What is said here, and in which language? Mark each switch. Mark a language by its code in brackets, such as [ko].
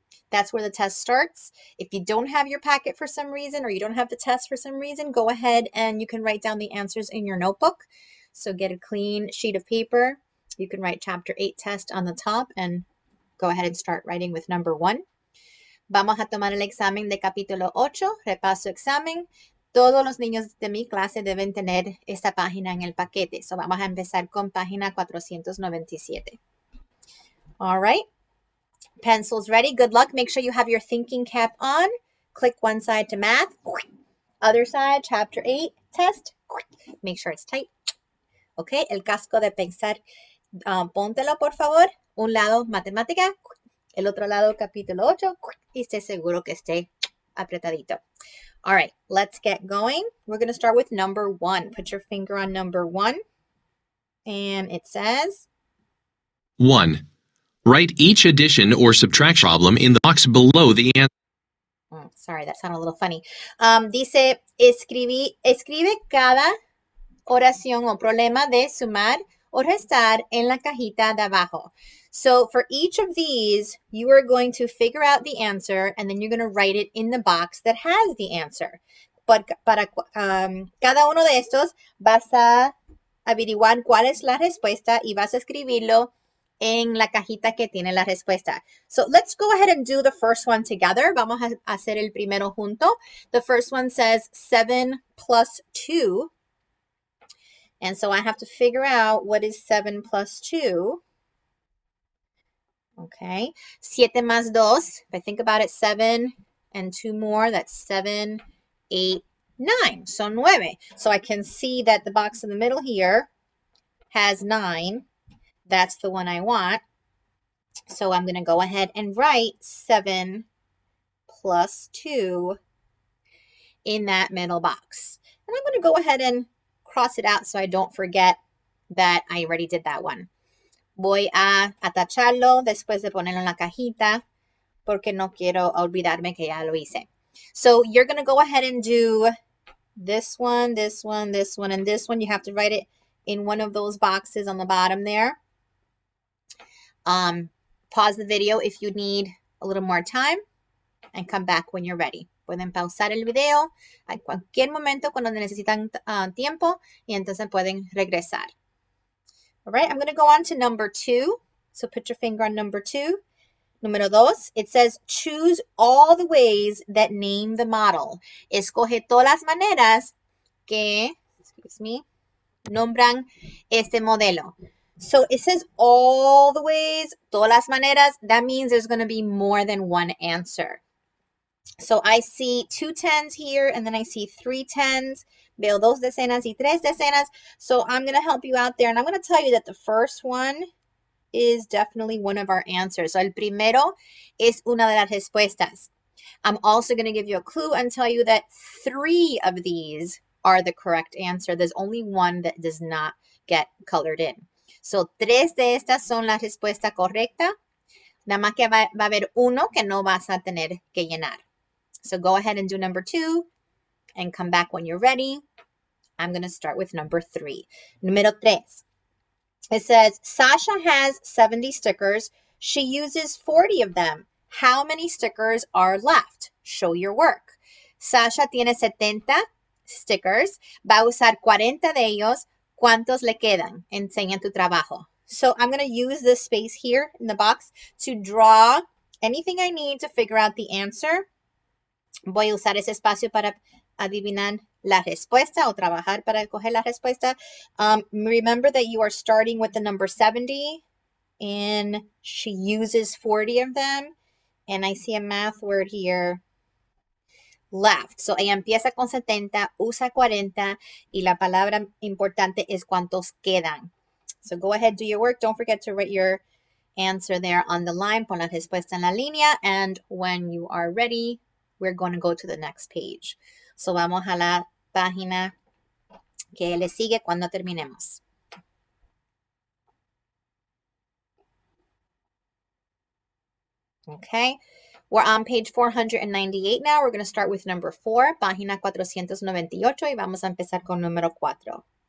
[en] That's where the test starts. If you don't have your packet for some reason, or you don't have the test for some reason, go ahead and you can write down the answers in your notebook. So get a clean sheet of paper. You can write Chapter 8 test on the top and go ahead and start writing with number one. [es] Vamos a tomar el examen de capítulo 8, repaso examen. Todos los niños de mi clase deben tener esta página en el paquete. [en] So [es] vamos a empezar con página 497. [en] All right. Pencils ready. Good luck. Make sure you have your thinking cap on. Click one side to math. Other side, chapter 8, test. Make sure it's tight. [es] Okay, el casco de pensar. Póntelo, por favor. Un lado, matemática. El otro lado, capítulo 8, y esté seguro que esté apretadito. [en] All right, let's get going. We're going to start with number one. Put your finger on number one. And it says. 1. Write each addition or subtraction problem in the box below the answer. Oh, sorry, that sounded a little funny. [es] Dice, escribe cada oración o problema de sumar o restar en la cajita de abajo. [en] So for each of these, you are going to figure out the answer and then you're going to write it in the box that has the answer. [es] But cada uno de estos vas a averiguar cuál es la respuesta y vas a escribirlo en la cajita que tiene la respuesta. [en] So let's go ahead and do the first one together. [es] Vamos a hacer el primero junto. [en] The first one says 7 plus 2. And so I have to figure out what is 7 plus 2. Okay. [es] Siete más dos. [en] If I think about it, seven and two more, that's seven, eight, nine. So nueve. So I can see that the box in the middle here has nine. That's the one I want. So I'm going to go ahead and write 7 plus 2 in that middle box. And I'm going to go ahead and cross it out so I don't forget that I already did that one. [es] Voy a tacharlo después de ponerlo en la cajita porque no quiero olvidarme que ya lo hice. [en] So you're going to go ahead and do this one, this one, this one, and this one. You have to write it in one of those boxes on the bottom there. Pause the video if you need a little more time and come back when you're ready. [es] Pueden pausar el video a cualquier momento cuando necesitan tiempo y entonces pueden regresar. [en] All right, I'm going to go on to number two. So put your finger on number two. [es] Número dos, [en] it says choose all the ways that name the model. [es] Escoge todas las maneras que, [en] excuse me, [es] nombran este modelo. [en] So it says all the ways, [es] todas las maneras. [en] That means there's going to be more than one answer. So I see two tens here, and then I see three tens. [es] Veo dos decenas y tres decenas. [en] So I'm going to help you out there, and I'm going to tell you that the first one is definitely one of our answers. [es] So el primero es una de las respuestas. [en] I'm also going to give you a clue and tell you that three of these are the correct answer. There's only one that does not get colored in. [es] So tres de estas son la respuesta correcta. Nada más que va a haber uno que no vas a tener que llenar. [en] So go ahead and do number two and come back when you're ready. I'm going to start with number three. [es] Número tres. [en] It says, Sasha has 70 stickers. She uses 40 of them. How many stickers are left? Show your work. [es] Sasha tiene 70 stickers. Va a usar 40 de ellos. ¿Cuántos le quedan? Enseña tu trabajo. [en] So I'm going to use this space here in the box to draw anything I need to figure out the answer. [es] Voy a usar ese espacio para adivinar la respuesta o trabajar para coger la respuesta. [en] Remember that you are starting with the number 70 and she uses 40 of them. And I see a math word here, left. [es] So ella empieza con 70, usa 40 y la palabra importante es cuántos quedan. [en] So go ahead, do your work. Don't forget to write your answer there on the line. [es] Pon la respuesta en la línea. [en] And when you are ready, we're going to go to the next page. [es] So vamos a la página que le sigue cuando terminemos. [en] Okay. We're on page 498 now. We're going to start with number 4, [es] página 498, y vamos a empezar con número 4.